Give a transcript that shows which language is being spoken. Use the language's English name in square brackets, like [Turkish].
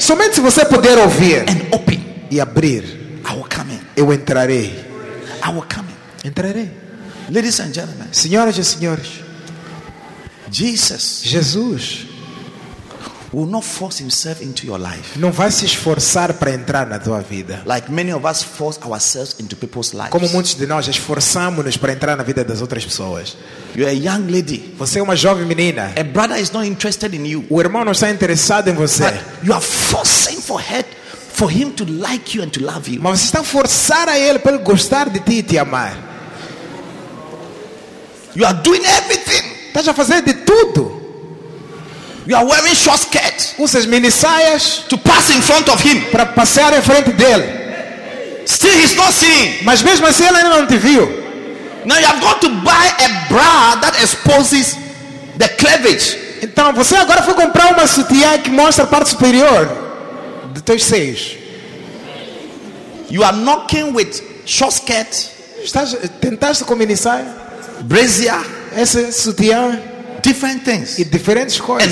[Portuguese] Somente se você puder ouvir [English] and open, [Portuguese] e abrir, [English] I will come in. [Portuguese] Eu entrarei. [English] I will come in. [Portuguese] Entrarei. [English] Ladies and gentlemen, [Portuguese] senhoras e senhores, [English] Jesus will not force himself into your life. [Portuguese] Não vai se esforçar para entrar na tua vida. [English] Like many of us force ourselves into people's lives. [Portuguese] Como muitos de nós esforçamos-nos para entrar na vida das outras pessoas. [English] You're a young lady. [Portuguese] Você é uma jovem menina. [English] A brother is not interested in you. [Portuguese] O irmão não está interessado em você. [English] But you are forcing for her, for him to like you and to love you. [Portuguese] Mas você está forçando a ele para ele gostar de ti e te amar. [English] You are doing everything. [Portuguese] Estás a fazer de tudo. [English] You are wearing short skirt. [Portuguese] Usas mini saias [English] to pass in front of him. [Portuguese] Para passear em frente dele. [English] Still he's not seeing. [Portuguese] Mas mesmo assim ele ainda não te viu. [English] Now you have got to buy a bra that exposes the cleavage. [Portuguese] Então você agora foi comprar uma sutiã que mostra a parte superior de teus seios. [English] You are knocking with short skirt. [Portuguese] Estás tentando com mini saia, [English] brazier, [Portuguese] essa sutiã. [English] Different things. [Portuguese] E diferentes coisas.